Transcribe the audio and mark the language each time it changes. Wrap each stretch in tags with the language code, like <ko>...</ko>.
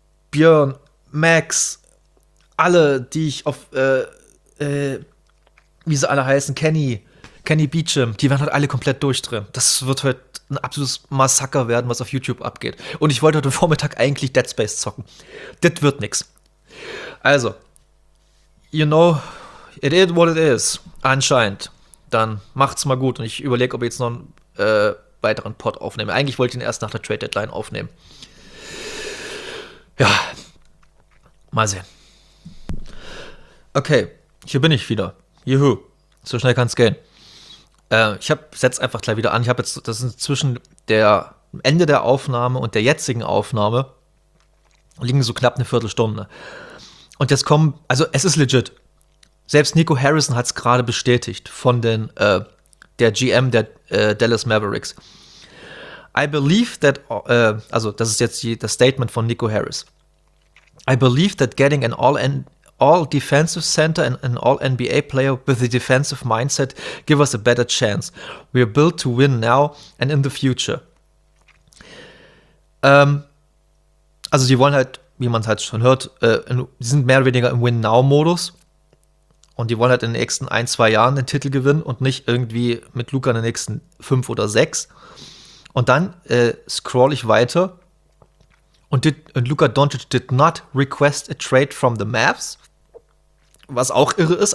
<de>Björn, Max, alle, die ich auf, wie sie alle heißen, Kenny Beecham, die werden halt alle komplett durchdrehen. Das wird heute ein absolutes Massaker werden, was auf YouTube abgeht. Und ich wollte heute Vormittag eigentlich Dead Space zocken. Das wird nix. Also,</de> <en>you know, it is what it is,</en> <de>anscheinend. Dann macht's mal gut und ich überlege, ob ich jetzt noch einen weiteren Pod aufnehme. Eigentlich wollte ich ihn erst nach der Trade Deadline aufnehmen. Ja, mal sehen. Okay, hier bin ich wieder. Juhu, so schnell kann es gehen. Ich habe setz einfach gleich wieder an. Ich habe jetzt, das ist zwischen der Ende der Aufnahme und der jetzigen Aufnahme, liegen so knapp eine Viertelstunde. Und jetzt kommen, also es ist legit. Selbst Nico Harrison hat es gerade bestätigt von der GM der Dallas Mavericks.</de> <en>I believe that,</en> <de>also das ist jetzt das Statement von Nico Harris.</de> <en>I believe that getting an all-defensive center and an all-NBA player with a defensive mindset give us a better chance. We are built to win now and in the future.</en> <de>Also sie wollen halt, wie man es halt schon hört, sie sind mehr oder weniger im Win-Now-Modus. Und die wollen halt in den nächsten ein, zwei Jahren den Titel gewinnen und nicht irgendwie mit Luka in den nächsten 5 oder 6. Und dann scroll ich weiter und Luka Doncic</de> <en>did not request a trade from the Mavs,</en> <de>was auch irre ist.</de>